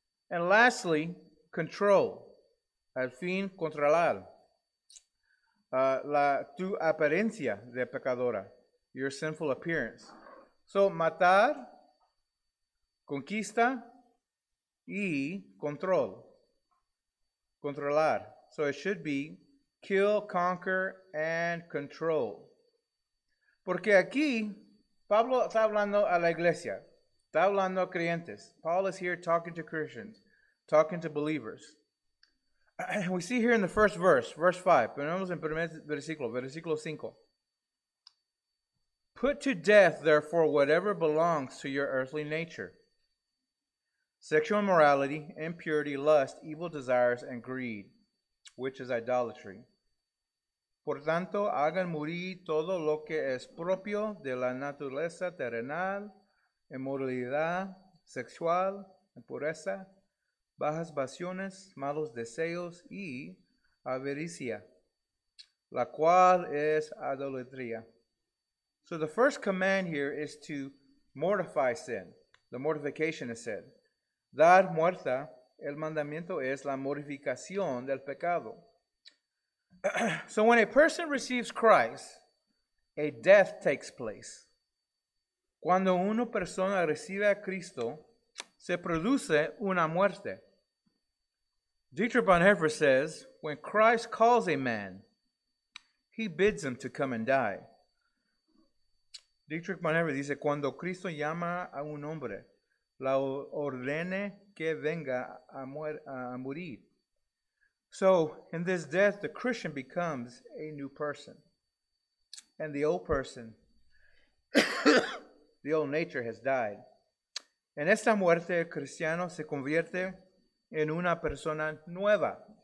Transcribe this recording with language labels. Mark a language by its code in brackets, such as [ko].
[en] And lastly, control. [es] Al fin, controlar tu apariencia de pecadora, [en] your sinful appearance. [es] So, matar, conquista, y control. Controlar. [en] So it should be kill, conquer, and control. [es] Porque aquí, Pablo está hablando a la iglesia. Está hablando a creyentes. [en] Paul is here talking to Christians, talking to believers. We see here in the first verse, verse 5. [es] Ponemos en primer versículo, versículo 5. [en] Put to death, therefore, whatever belongs to your earthly nature. Sexual immorality, impurity, lust, evil desires, and greed, which is idolatry. [es] Por tanto, hagan morir todo lo que es propio de la naturaleza terrenal, inmoralidad sexual, impureza, bajas pasiones, malos deseos y avaricia, la cual es idolatría. [en] So the first command here is to mortify sin. The mortification is said. [es] Dar muerta, el mandamiento es la mortificación del pecado. [en] So when a person receives Christ, a death takes place. [es] Cuando una persona recibe a Cristo, se produce una muerte. [en] Dietrich Bonhoeffer says, when Christ calls a man, he bids him to come and die. [es] Dietrich Bonhoeffer dice, cuando Cristo llama a un hombre, la ordene que venga a morir. [en] So in this death, the Christian becomes a new person. And the old person, the old nature has died. [es] En esta muerte, el cristiano se convierte en una persona nueva.